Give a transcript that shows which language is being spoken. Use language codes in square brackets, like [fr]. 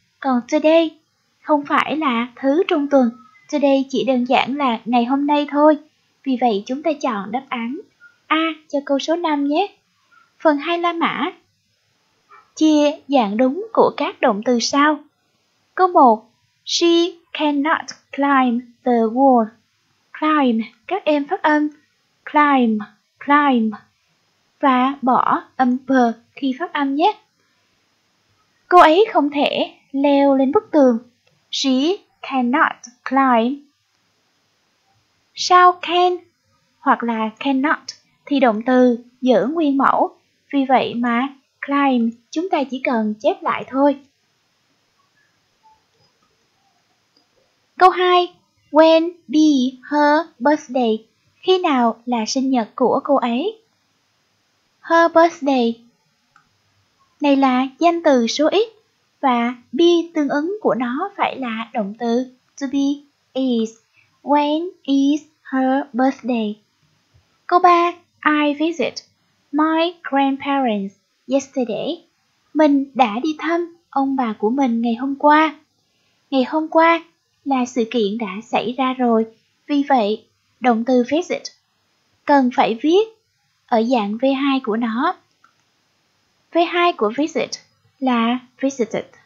[vi] Còn today không phải là thứ trong tuần. Today chỉ đơn giản là ngày hôm nay thôi. Vì vậy chúng ta chọn đáp án A cho câu số 5 nhé. Phần 2 La Mã. Chia dạng đúng của các động từ sau. Câu 1. [en] She cannot climb the wall. [vi] Climb, các em phát âm climb, climb và bỏ âm p khi phát âm nhé. Cô ấy không thể leo lên bức tường. [en] She cannot climb. [vi] Sao can hoặc là cannot thì động từ giữ nguyên mẫu. Vì vậy mà climb chúng ta chỉ cần chép lại thôi. Câu 2. [en] When be her birthday? [vi] Khi nào là sinh nhật của cô ấy? Her birthday này là danh từ số ít và be tương ứng của nó phải là động từ to be is. [en] When is her birthday? [vi] Câu 3. [en] I visit my grandparents yesterday. [vi] Mình đã đi thăm ông bà của mình ngày hôm qua. Ngày hôm qua là sự kiện đã xảy ra rồi. Vì vậy, động từ visit cần phải viết ở dạng V2 của nó. V2 của visit là visited.